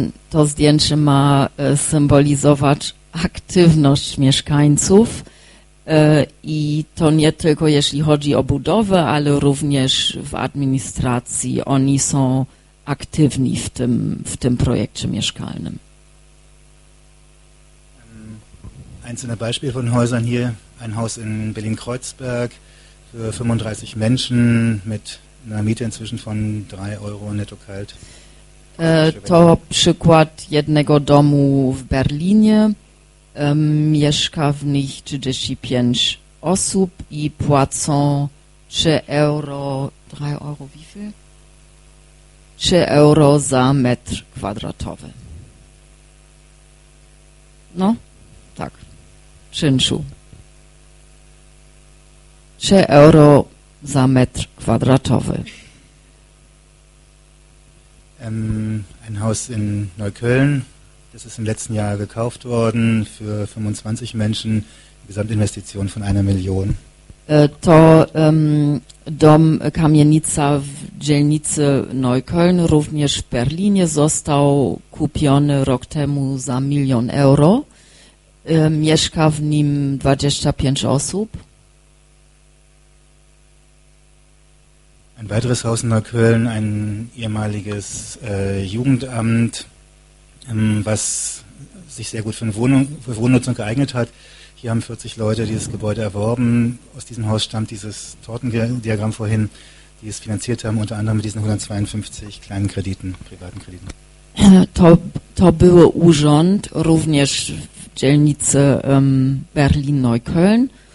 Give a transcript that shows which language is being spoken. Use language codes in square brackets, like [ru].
[pl] To zdjęcie ma symbolizować aktywność mieszkańców i to nie tylko jeśli chodzi o budowę, ale również w administracji. Oni są aktywni w tym projekcie mieszkalnym. [de] Einzelne Beispiele von Häusern hier. Ein Haus in Berlin-Kreuzberg für 35 Menschen mit einer Miete inzwischen von 3 Euro netto kalt. [pl] To przykład jednego domu w Berlinie. Mieszka w nich 35 osób i płacą 3 euro za metr kwadratowy. No, tak, czynszu. 3 euro za metr kwadratowy. [de] Ein Haus in Neukölln, das ist im letzten Jahr gekauft worden für 25 Menschen, Gesamtinvestition von 1 Million. [pl] To dom kamienica w dzielnicy Neukölln, również w Berlinie, został kupiony rok temu za 1 milion euro. Mieszka w nim 25 osób. [de] Ein weiteres Haus in Neukölln, ein ehemaliges Jugendamt, was sich sehr gut für Wohnnutzung geeignet hat. Hier haben 40 Leute dieses Gebäude erworben. Aus diesem Haus stammt dieses Tortendiagramm vorhin, die es finanziert haben, unter anderem mit diesen 152 kleinen Krediten, privaten Krediten. [pl] To był urząd, również w dzielnicy Berlin-Neukölln.